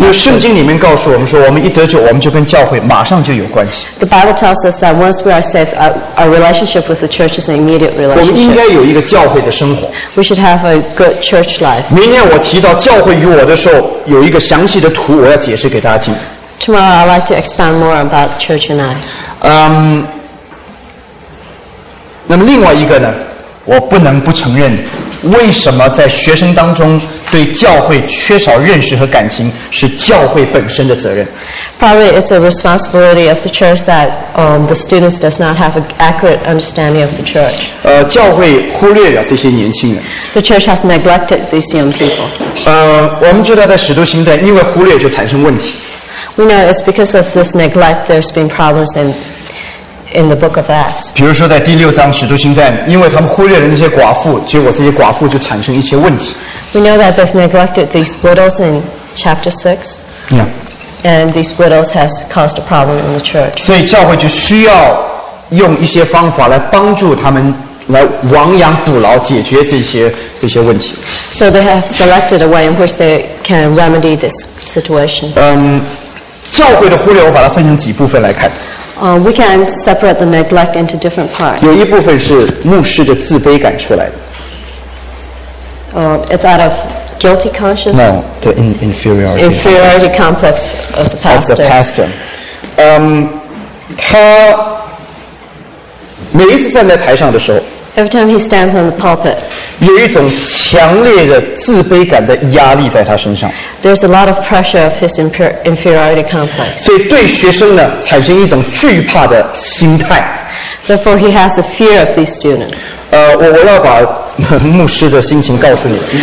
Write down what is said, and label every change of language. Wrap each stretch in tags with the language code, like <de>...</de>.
<zh>因为圣经里面告诉我们说，我们一得救，我们就跟教会马上就有关系。</zh> <en>The Bible tells us that once we are saved, our relationship with the church is an immediate relationship.</en> <zh>我们应该有一个教会的生活。</zh> <en>We should have a good church life.</en> <zh>明天我提到教会与我的时候，有一个详细的图，我要解释给大家听。</zh> <en>Tomorrow, I'd like to expand more about church and I.</en> <zh>那么另外一个呢，我不能不承认，为什么在学生当中对教会缺少认识和感情，是教会本身的责任。</zh> <en>Probably it's a responsibility of the church that the students does not have an accurate understanding of the church.</en> <zh>教会忽略了这些年轻人。</zh> <en>The church has neglected these young people.</en> <zh>我们知道在使徒行传，因为忽略就产生问题。</zh> <en>We know it's because of this neglect there's been problems in the book of Acts.</en> <zh>比如说在第六章使徒行传，因为他们忽略了那些寡妇，结果这些寡妇就产生一些问题。</zh> <en>We know that they've neglected these widows in chapter 6. Yeah. And these widows has caused a problem in the church.</en> <zh>所以教会就需要用一些方法来帮助他们来亡羊补牢，解决这些问题。</zh> <en>So they have selected a way in which they can remedy this situation.</en> <zh>教会的忽略我把它分成几部分来看。</zh> <en>We can separate the neglect into different parts.</en> <zh>有一部分是牧师的自卑感出来的。</zh> <en>It's out of guilty conscience. No, the inferiority. Inferiority complex of the pastor. Of the pastor.</en> <zh>他每一次站在台上的时候。</zh> <en>Every time he stands on the pulpit.</en> <zh>有一种强烈的自卑感的压力在他身上。</zh> <en>There's a lot of pressure of his inferiority complex.</en> <zh>所以对学生呢，产生一种惧怕的心态。</zh> <en>Therefore, he has a fear of these students.</en> <zh>我要把牧师的心情告诉你。</zh>